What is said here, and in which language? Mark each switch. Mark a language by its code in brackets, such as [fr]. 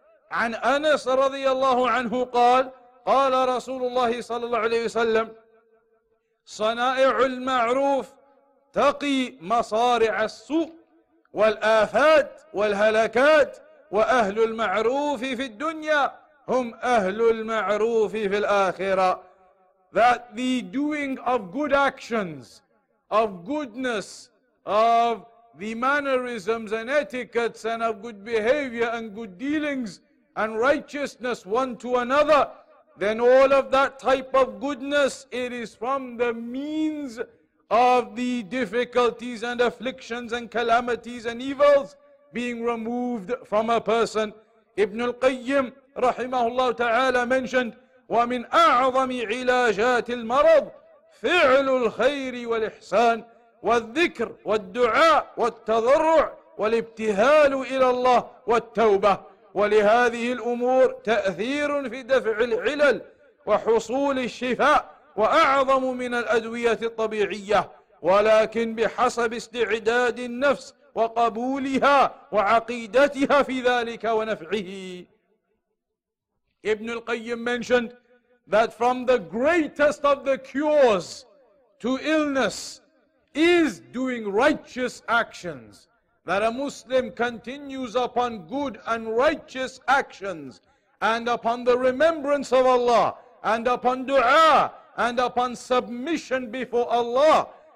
[ar] عن أنس رضي الله عنه قال قال رسول الله صلى الله عليه وسلم صنائع المعروف تقي مصارع السوء والآفات والهلكات وأهل المعروف في الدنيا هم أهل المعروف في الآخرة. [en] That the doing of good actions, of goodness, of the mannerisms and etiquettes and of good behavior and good dealings and righteousness one to another, then all of that type of goodness, it is from the means of the difficulties and afflictions and calamities and evils being removed from a person. [ar] Ibn al-Qayyim rahimahullah ta'ala mentioned, وَمِنْ أَعْظَمِ عِلَاجَاتِ الْمَرَضِ فِعْلُ الْخَيْرِ وَالْإِحْسَانِ وَالذِّكْرِ وَالدُّعَاءِ وَالتَّضَرُّعِ وَالْإِبْتِهَالُ إِلَى اللَّهِ وَالتَّوْبَةِ ولهذه الأمور تأثير في دفع العلل وحصول الشفاء وأعظم من الأدوية الطبيعية ولكن بحسب استعداد النفس وقبولها وعقيدتها في ذلك ونفعه. [en] Ibn al-Qayyim mentioned that from the greatest of the cures to illness is doing righteous actions. That a Muslim continues upon good and righteous actions and upon the remembrance of Allah and upon dua and upon submission before Allah,